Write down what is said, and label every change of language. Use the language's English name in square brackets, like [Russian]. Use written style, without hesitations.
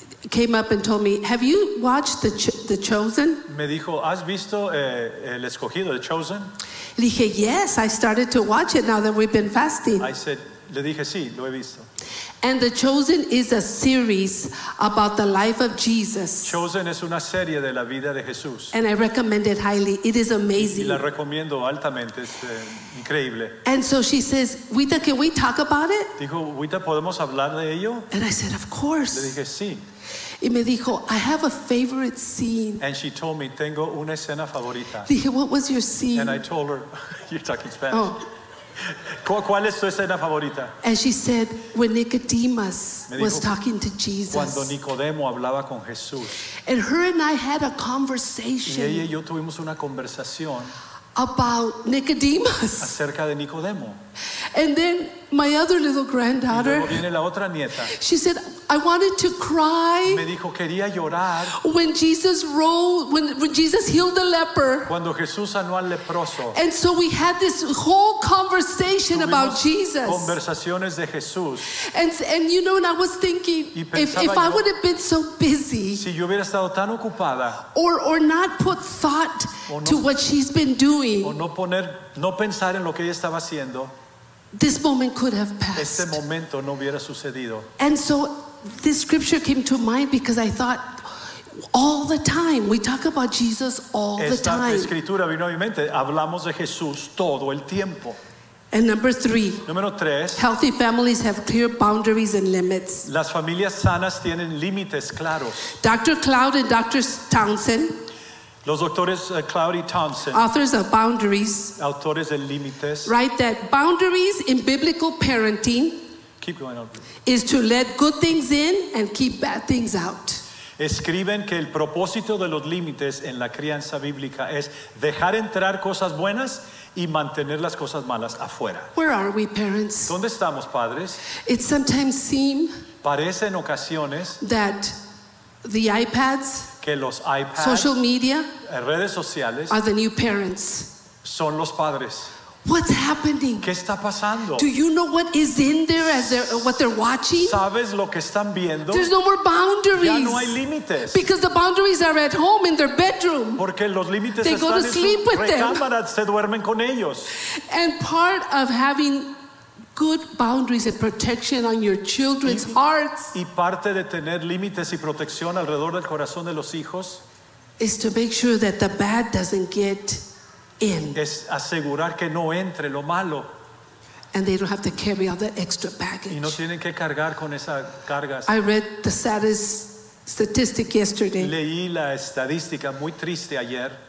[English] Came up and told me, "Have you watched the Chosen?" [Spanish] Me dijo, "¿Has visto el escogido, The Chosen?" Le dije, [English] "Yes, I started to watch it now that we've been fasting." I said, [Spanish] le dije, "Sí, lo he visto." [English] And The Chosen is a series about the life of Jesus. [Spanish] Chosen es una serie de la vida de Jesús. [English] And I recommend it highly. It is amazing. [Spanish] Y la recomiendo altamente. Es increíble. [English] And so she says, "Wita, can we talk about it?" [Spanish] Dijo, "Wita, ¿podemos hablar de ello?" [English] And I said, "Of course." [Spanish] Le dije, "Sí." Y me dijo, [English] "I have a favorite scene." And she told me, [Spanish] "Tengo una escena favorita." Dije, [English] "What was your scene?" And I told her, "You're talking Spanish." Oh. [Spanish] ¿Cuál es tu escena favorita? [English] And she said, "When Nicodemus [Spanish] dijo, [English] was talking to Jesus." [Spanish] Cuando Nicodemo hablaba con Jesús. [English] And her and I had a conversation. [Spanish] Y ella y yo tuvimos una conversación. [English] About Nicodemus. [Spanish] Acerca de Nicodemo. [English] And then my other little granddaughter. [Spanish] Y luego viene la otra nieta. [English] She said, "I wanted to cry." [Spanish] Me dijo, quería llorar. [English] When Jesus when Jesus healed the leper. [Spanish] Cuando Jesús sanó al leproso. [English] And so we had this whole conversation [Spanish] tuvimos [English] about Jesus. [Spanish] Conversaciones de Jesús. [English] And you know, and I was thinking, if [Spanish] yo, [English] I would have been so busy. [Spanish] Si yo hubiera estado tan ocupada. [English] Or not put thought [Spanish] o no, [English] to what she's been doing. [Spanish] O no poner, no pensar en lo que ella estaba haciendo. [English] This moment could have passed. [Spanish] Este momento no hubiera sucedido. [English] And so this scripture came to mind because I thought, all the time we talk about Jesus all [Spanish] esta [English] the time. [Spanish] Esta escritura vino a mi mente. Hablamos de Jesús todo el tiempo. [English] And number three. [Spanish] Número tres. [English] Healthy families have clear boundaries and limits. [Spanish] Las familias sanas tienen límites claros. [English] Dr. Cloud and Dr. Townsend. [Spanish] Los doctores Cloud y Townsend, [English] authors of boundaries, [Spanish] autores de límites, [English] write that boundaries in biblical parenting, keep going on, is to let good things in and keep bad things out. [Spanish] Escriben que el propósito de los límites en la crianza bíblica es dejar entrar cosas buenas y mantener las cosas malas afuera. [English] Where are we, parents? [Spanish] ¿Dónde estamos, padres? [English] It sometimes seem [Spanish] parece en ocasiones [English] that the iPads, [Spanish] que los iPads, [English] social media, [Spanish] redes sociales, [English] are the new parents. [Spanish] Son los padres. [English] What's happening? [Spanish] ¿Qué está pasando? [English] Do you know what is in there as they're, what they're watching? [Spanish] ¿Sabes lo que están viendo? [English] There's no more boundaries. [Spanish] Ya no hay límites. [English] Because the boundaries are at home in their bedroom. [Spanish] Porque los límites [English] they [Spanish] están [English] go to sleep [Spanish] en su [English] with [Spanish] recámara, [English] them. [Spanish] Se duermen con ellos. [English] And part of having good boundaries and protection on your children's hearts. [Spanish] Y parte de tener límites y protección alrededor del corazón de los hijos [English] is to make sure that the bad doesn't get in. [Spanish] Es asegurar que no entre lo malo. [English] And they don't have to carry all that extra baggage. [Spanish] Y no tienen que cargar con esa carga. [English] I read the saddest statistic yesterday. [Spanish] Leí la estadística muy triste ayer.